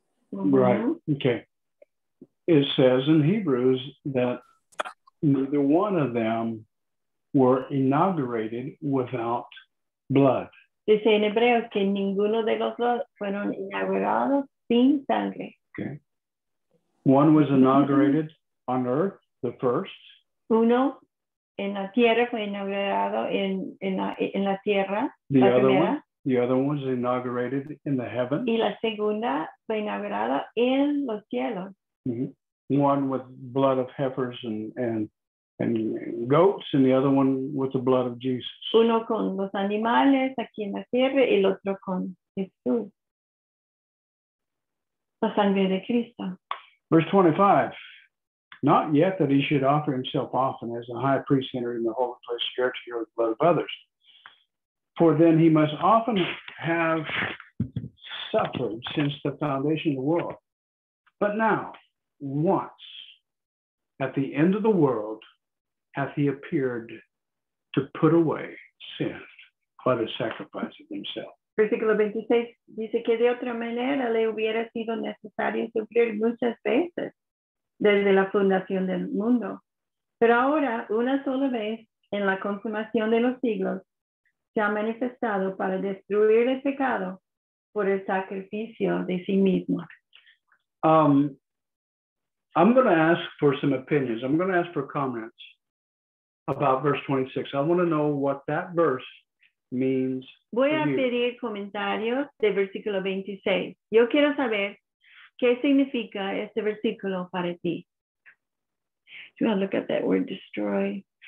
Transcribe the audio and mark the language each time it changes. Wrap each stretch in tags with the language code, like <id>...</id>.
<en>Mm-hmm. Right, okay. It says in Hebrews that neither one of them were inaugurated without blood.</en> <es>Dice en Hebreos que ninguno de los dos fueron inaugurados sin sangre.</es> <en>Okay. One was inaugurated on earth, the first.</en> <es>Uno en la tierra fue inaugurado en la tierra.</es> <en>The other one was inaugurated in the heavens.</en> <es>Y la segunda fue inaugurada en los cielos. Mm-hmm.</es> <en>One with blood of heifers and goats, and the other one with the blood of Jesus.</en> <es>Uno con los animales aquí en la tierra y el otro con Jesús. La sangre de Cristo.</es> <en>Verse 25. Not yet that he should offer himself often as a high priest entering in the holy place, scared to hear the blood of others. For then he must often have suffered since the foundation of the world. But now, once, at the end of the world, hath he appeared to put away sin by the sacrifice of himself.</en> <es>Versículo 26 dice que de otra manera le hubiera sido necesario sufrir muchas veces desde la fundación del mundo. Pero ahora, una sola vez en la consumación de los siglos, se ha manifestado para destruir el pecado por el sacrificio de sí mismo.</es> <en>I'm going to ask for some opinions. I'm going to ask for comments about verse 26. I want to know what that verse means.</en> <es>Voy a pedir comentarios de versículo 26. Yo quiero saber qué significa este versículo para ti.</es> <en>Do you want to look at that word destroy?</en>